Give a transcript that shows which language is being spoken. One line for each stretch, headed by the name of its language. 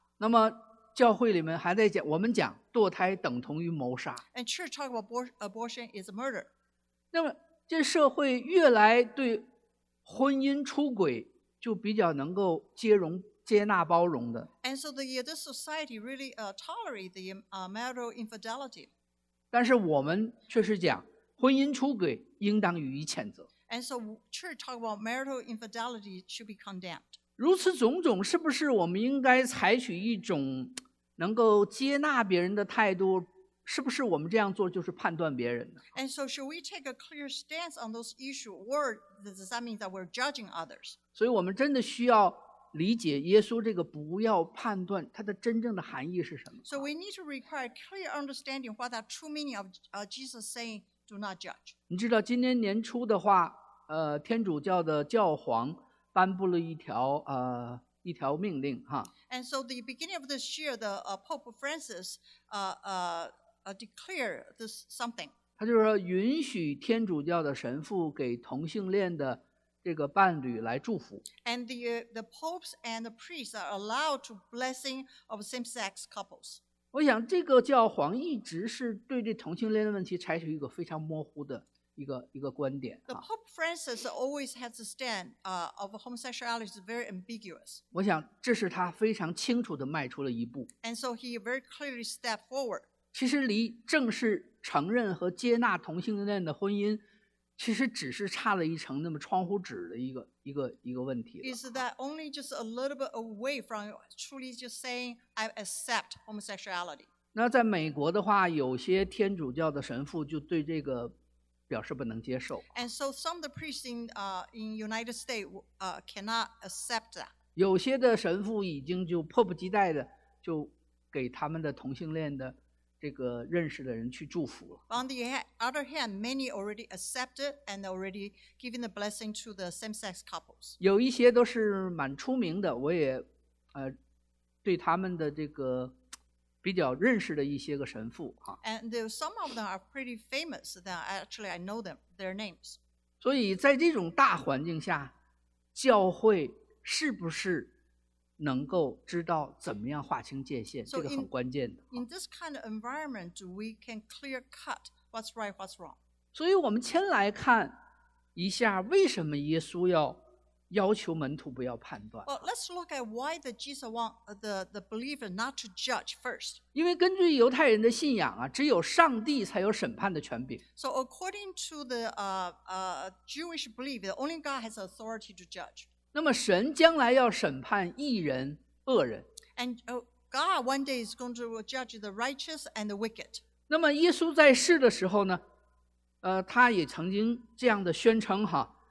Chinese: 那么教会里面还在讲，我们讲堕胎等同于谋杀。
English: And church talk about abortion is a murder.
Chinese: 那么这社会越来对婚姻出轨就比较能够接纳包容的。
English: And so the society really tolerate the marital infidelity.
Chinese: 但是我们却是讲婚姻出轨应当予以谴责。
English: And so church talk about marital infidelity should be condemned.
Chinese: 如此种种，是不是我们应该采取一种能够接纳别人的态度？是不是我们这样做就是判断别人呢
English: ？And so, should we take a clear stance on those issues, or does that mean that we're judging others?
Chinese: 所以我们真的需要理解耶稣这个"不要判断"它的真正的含义是什么
English: ？So we need to require clear understanding what that true meaning of Jesus saying, "Do not judge."
Chinese: 你知道今年年初的话，天主教的教皇。颁布了一条命令哈。
English: And so the beginning of this year, the Pope Francis declared this something.
Chinese: 他就是允许天主教的神父给同性恋的这个伴侣来祝福。
English: And the popes and the priests are allowed to blessing of same-sex couples.
Chinese: 我想这个教皇一直是对这同性恋的问题采取一个非常模糊的。一个观点。
English: The Pope Francis always has a stand of homosexuality is very ambiguous.
Chinese: 我想这是他非常清楚地迈出了一步。
English: And so he very clearly stepped forward.
Chinese: 其实离正式承认和接纳同性恋的婚姻，其实只是差了一层那么窗户纸的一个问题了。
English: Is that only just a little bit away from truly just saying I accept homosexuality?
Chinese: 那在美国的话，有些天主教的神父就对这个。表示不能接受。
English: And so some of the priests in United States cannot accept that.
Chinese: 有些的神父已经就迫不及待的就给他们的同性恋的这个认识的人去祝福了。
English: On the other hand, many already accepted and already giving the blessing to the same-sex couples.
Chinese: 有一些都是蛮出名的，我也对他们的这个。比较认识的一些个神父哈。
English: And there, some of them are pretty famous that actually I know them, their names.
Chinese: 所以在这种大环境下，教会是不是能够知道怎么样划清界限，这个很关键的。
English: In this kind of environment, we can clear cut what's right, what's wrong.
Chinese: 所以我们先来看一下为什么耶稣要求门徒不要判断。
English: Well, let's look at why the Jesus want the believer not to judge first.
Chinese: 因为根据犹太人的信仰啊，只有上帝才有审判的权柄。
English: So according to the Jewish belief, only God has authority to judge.
Chinese: 那么神将来要审判义人、恶人。
English: And God one day is going to judge the righteous and the wicked.
Chinese: 那么耶稣在世的时候呢，他也曾经这样的宣称哈。